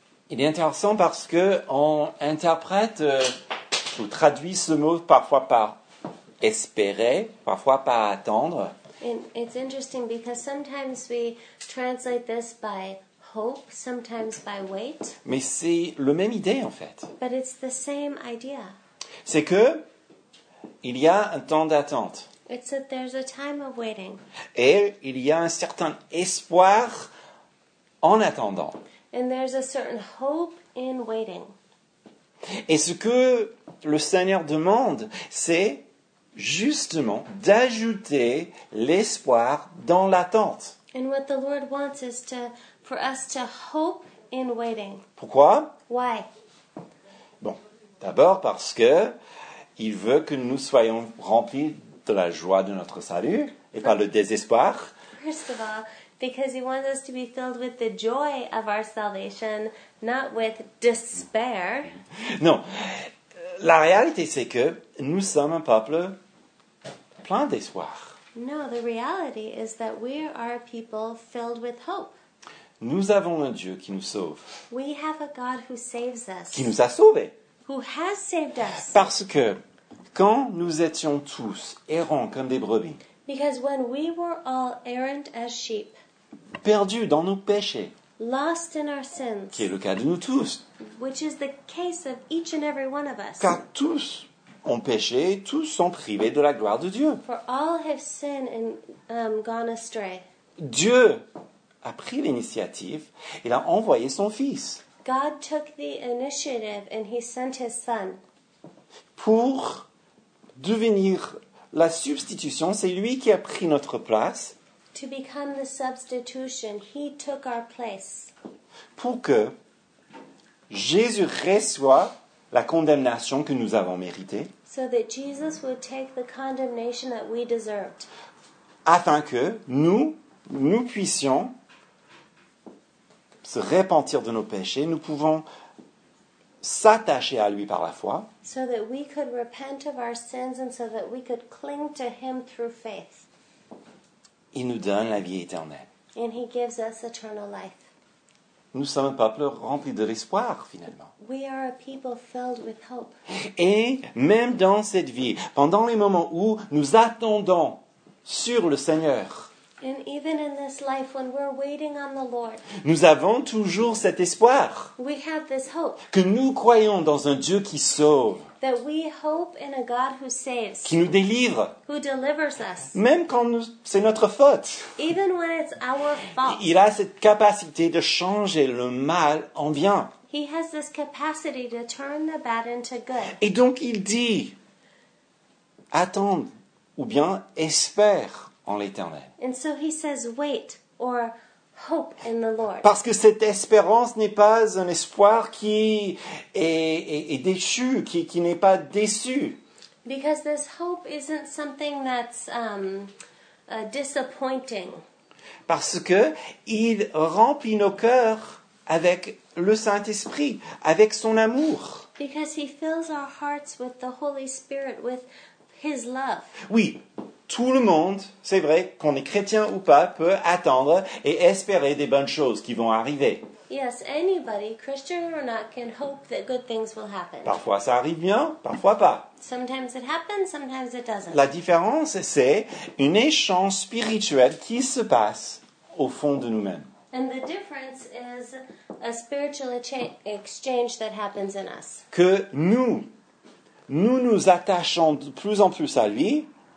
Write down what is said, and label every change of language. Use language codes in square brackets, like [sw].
[fr] Il est intéressant parce que on interprète ou traduit ce mot parfois par espérer, parfois par attendre. [en] And it's interesting because sometimes we translate this by hope, sometimes by wait. [fr] Mais c'est le même idée en fait. [en] But it's the same idea. [fr] C'est que il y a un temps d'attente. [en] It's that there's a time of waiting. [fr] Et il y a un certain espoir en attendant. [en] And there's a certain hope in waiting. [fr] Et ce que le Seigneur demande, c'est justement d'ajouter l'espoir dans l'attente. [en] And what the Lord wants is for us to hope in waiting. [fr] Pourquoi? [en] Why? [fr] Bon, d'abord parce que il veut que nous soyons remplis de la joie de notre salut et pas le désespoir. [en] First of all, because he wants us to be filled with the joy of our salvation, not with despair. [fr] Non. La réalité, c'est que nous sommes un peuple plein d'espoir. [en] No, the reality is that we are a people filled with hope. [fr] Nous avons un Dieu qui nous sauve. [en] We have a God who saves us. [fr] Qui nous a sauvés. [en] Who has saved us. [fr] Parce que quand nous étions tous errants comme des brebis. [en] Because when we were all errant as sheep. [fr] Perdu dans nos péchés. [en] Lost in our sins. [fr] Qui est le cas de nous tous. [en] Which is the case of each and every one of us. [fr] Car tous ont péché, tous sont privés de la gloire de Dieu. [en] For all have sinned and gone astray. [fr] Dieu a pris l'initiative, il a envoyé son Fils. [en] God took the initiative and he sent his son. [fr] Pour devenir la substitution, c'est lui qui a pris notre place. [en] To become the substitution, he took our place. [fr] Pour que Jésus reçoive la condamnation que nous avons méritée. [en] So that Jesus would take the condemnation that we deserved. [fr] Afin que nous puissions se repentir de nos péchés, nous pouvons s'attacher à lui par la foi. [en] So that we could repent of our sins and so that we could cling to him through faith. [fr] Il nous donne la vie éternelle. [en] And he gives us eternal life. [fr] Nous sommes un peuple rempli de l'espoir, finalement. [en] We are a people filled with hope. [fr] Et même dans cette vie, pendant les moments où nous attendons sur le Seigneur, [en] and even in this life, when we're waiting on the Lord, [fr] nous avons toujours cet espoir. [en] We have this hope. [fr] Que nous croyons dans un Dieu qui sauve. [en] That we hope in a God who saves. [fr] Qui nous délivre. [en] Who delivers us. [fr] Même quand c'est notre faute. [en] Even when it's our fault. [fr] Il a cette capacité de changer le mal en bien. [en] He has this capacity to turn the bad into good. [fr] Et donc il dit, attends ou bien espère. En l'Éternel. [en] And so he says, wait or hope in the Lord. [fr] Parce que cette espérance n'est pas un espoir qui est déchu, qui n'est pas déçu. [en] Because this hope isn't something that's disappointing. [fr] Parce que il remplit nos cœurs avec le Saint-Esprit, avec son amour. [en] Because he fills our hearts with the Holy Spirit, with his love. [fr] Oui, tout le monde, c'est vrai, qu'on est chrétien ou pas, peut attendre et espérer des bonnes choses qui vont arriver. [en] Yes, anybody, Christian or not, can hope that good things will happen. [fr] Parfois ça arrive bien, parfois pas. [en] Sometimes it happens, sometimes it doesn't. [fr] La différence, c'est une échange spirituel qui se passe au fond de nous-mêmes. [en] And the difference is a spiritual exchange that happens in us. [fr] Que nous, nous nous attachons de plus en plus à lui.